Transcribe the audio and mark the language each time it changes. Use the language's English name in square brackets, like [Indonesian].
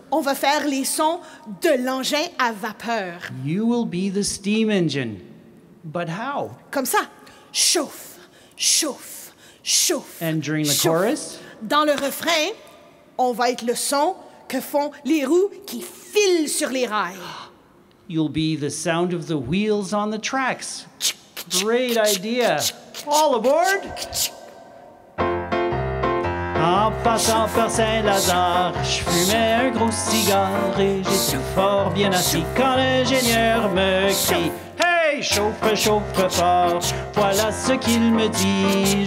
[French] On va faire les sons de l'engin à vapeur. [English] You will be the steam engine. But how? [French] Comme ça. Chauffe, chauffe, chauffe. [English] And during the chauffe. Chorus? [French] Dans le refrain, on va être le son que font les roues qui filent sur les rails. [English] You'll be the sound of the wheels on the tracks. Great idea. All aboard. [French] En passant par Saint-Lazare, je fumais un gros cigare et j'étais fort bien assis quand l'ingénieur me crie. Hey, chauffe, chauffe fort, voilà ce qu'il me dit.